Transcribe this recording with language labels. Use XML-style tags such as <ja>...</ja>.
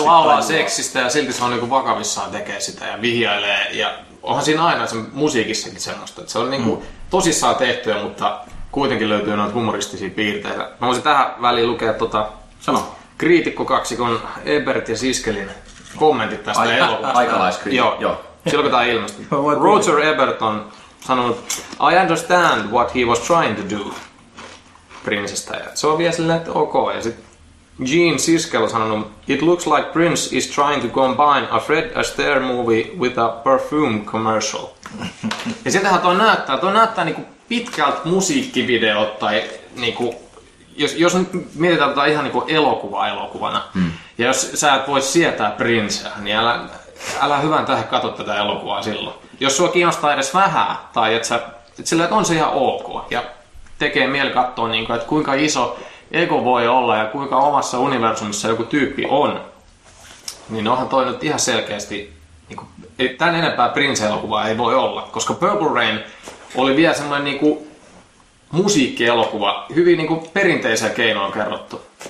<fi>se laulaa seksistä ja silti se on niinku vakavissaan tekee sitä ja vihjailee. Ja onhan siinä aina se musiikissakin semmoista, että se on niinku tosissaan tehtyä, mutta kuitenkin löytyy noita humoristisia piirteitä. Mä voisin tähän väliin lukea kriitikko kaksikon Ebert ja Siskelin kommentit tästä elokuvasta. Aikalaiskriitikko. Joo. Silloin tämä ilmestyi.</fi> <en>Roger Ebert</en> <fi>on sanonut,</fi> <en>I understand what he was trying to do Princestä.</en> <fi>Ja se on vielä silleen, että ok. Ja sitten</fi> <en>Gene Siskel</en> <fi>on sanonut,</fi> <en>it looks like Prince is trying to combine a Fred Astaire movie with a perfume commercial.</en> <fi>Ja sieltähän tuo näyttää. Tuo näyttää niinku pitkältä musiikkivideot tai niinku, jos nyt mietitään tota ihan niinku elokuvana. Hmm. Ja jos sä et voi sietää Princeä, niin älä hyvän tähän katso tätä elokuvaa silloin. Jos sua kiinnostaa edes vähän, tai että on se ihan ok, ja tekee mieli katsoa, niin kuin, että kuinka iso ego voi olla, ja kuinka omassa universumissa joku tyyppi on, niin onhan toi nyt ihan selkeästi, niin kuin, tämän enempää Prince-elokuvaa ei voi olla, koska Purple Rain oli vielä semmoinen niin kuin musiikkielokuva, hyvin niin kuin perinteisiä keinoja on kerrottu.</fi>